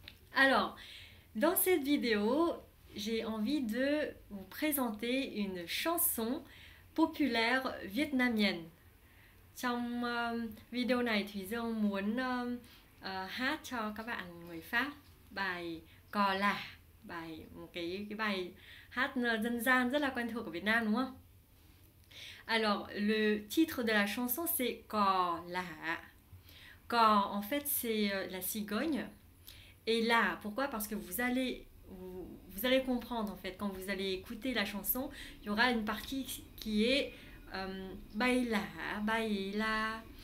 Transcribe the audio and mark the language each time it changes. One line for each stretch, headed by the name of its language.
French: Alors, dans cette vidéo, j'ai envie de vous présenter une chanson populaire vietnamienne.
Vietnamese: Trong video này thì Dương muốn hát cho các bạn người Pháp bài Cò Là, bài một cái bài hát dân gian rất là quen thuộc của Việt Nam đúng không?
French: Alors, le titre de la chanson c'est Cò Là. Cò, en fait, c'est la cigogne. Et là, pourquoi? Parce que vous allez comprendre, en fait, quand vous allez écouter la chanson, il y aura une partie qui est baila, baila.